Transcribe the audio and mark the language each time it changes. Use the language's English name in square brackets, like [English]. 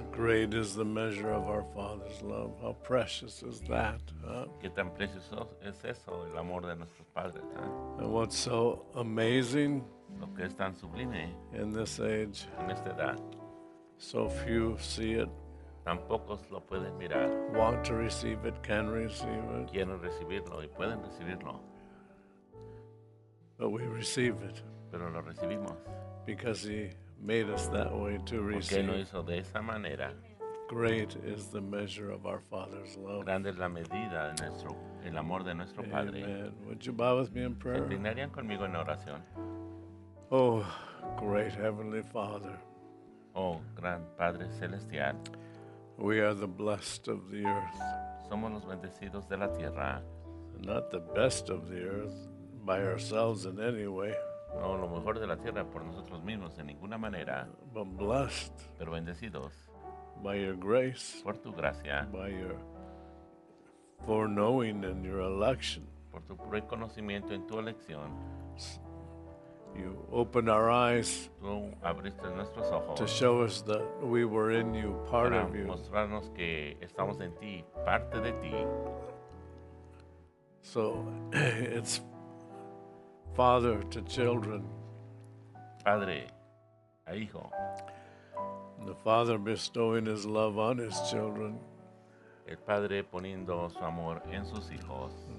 [English] Great is the measure of our Father's love. How precious is that, huh? [Spanish] Qué tan precioso es eso, el amor de nuestros padres, ¿eh? [English] And what's so amazing, [Spanish] lo que es tan sublime, [English] in this age, [Spanish] en esta edad, [English] so few see it. [Spanish] Tan pocos lo pueden mirar. [English] Want to receive it, can receive it. [Spanish] Quieren recibirlo y pueden recibirlo. [English] But we receive it. [Spanish] Pero lo recibimos. [English] Because he made us that way to receive. [Spanish] Porque nos hizo de esa manera. [English] Great is the measure of our Father's love. [Spanish] Grande es la medida de nuestro, el amor de nuestro Padre. [English] Amen. Would you bow with me in prayer? [Spanish] ¿Se inclinarían conmigo en oración? [English] Oh, great Heavenly Father. [Spanish] Oh, gran Padre Celestial. [English] We are the blessed of the earth. [Spanish] Somos los bendecidos de la tierra. [English] Not the best of the earth by ourselves in any way. [Spanish] No, lo mejor de la tierra por nosotros mismos en ninguna manera. [English] But blessed. [Spanish] Pero bendecidos. [English] By your grace. [Spanish] Por tu gracia. [English] By your foreknowing and your election. [Spanish] Por tu preconocimiento en tu elección. [English] You open our eyes. [Spanish] Tú abriste nuestros ojos. [English] To show us that we were in you, part of you. [Spanish] Para mostrarnos que estamos en ti, parte de ti. [English] So it's father to children. [Spanish] Padre a hijo. [English] The father bestowing his love on his children. [Spanish] El padre poniendo su amor en sus hijos.